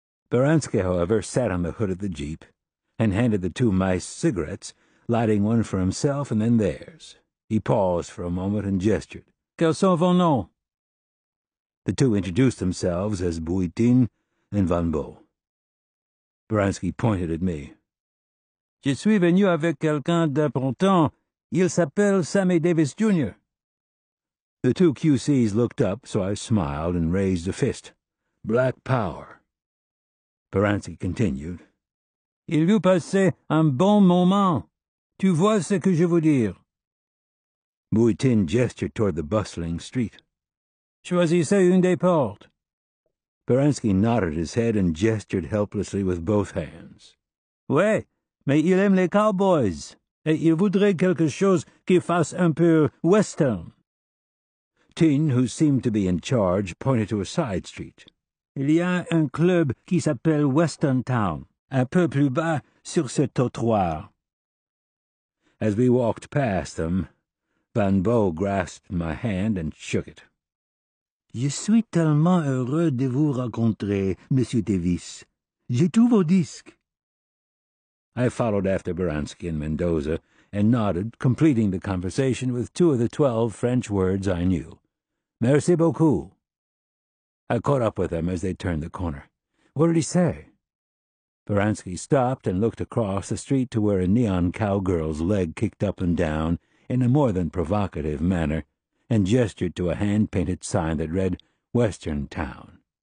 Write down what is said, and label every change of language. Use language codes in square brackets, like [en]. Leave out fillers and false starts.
[en] Baranski, however, sat on the hood of the jeep and handed the two mice cigarettes, lighting one for himself and then theirs. He paused for a moment and gestured. [fr] Quel son vos nom? [en] The two introduced themselves as Bui Tin and Van Bo. Baranski pointed at me. [fr] Je suis venu avec quelqu'un d'important. Il s'appelle Sammy Davis Jr. [en] The two QCs looked up, so I smiled and raised a fist. Black power. Baranski continued. [fr] Il vous passe un bon moment. Tu vois ce que je veux dire? [en] Bui Tin gestured toward the bustling street. [fr] Choisissez une des portes. [en] Baranski nodded his head and gestured helplessly with both hands. [fr] Oui, mais il aime les cowboys. Et il voudrait quelque chose qui fasse un peu western. [en] Tin, who seemed to be in charge, pointed to a side street. [fr] Il y a un club qui s'appelle Western Town. Un peu plus bas, sur ce trottoir. [en] As we walked past them, Van Bo grasped my hand and shook it. [fr] Je suis tellement heureux de vous rencontrer, Monsieur Davis. J'ai tous vos disques. [en] I followed after Baranski and Mendoza and nodded, completing the conversation with 2 of the 12 French words I knew. [fr] Merci beaucoup. [en] I caught up with them as they turned the corner. What did he say? Baranski stopped and looked across the street to where a neon cowgirl's leg kicked up and down in a more than provocative manner and gestured to a hand-painted sign that read, Western Town.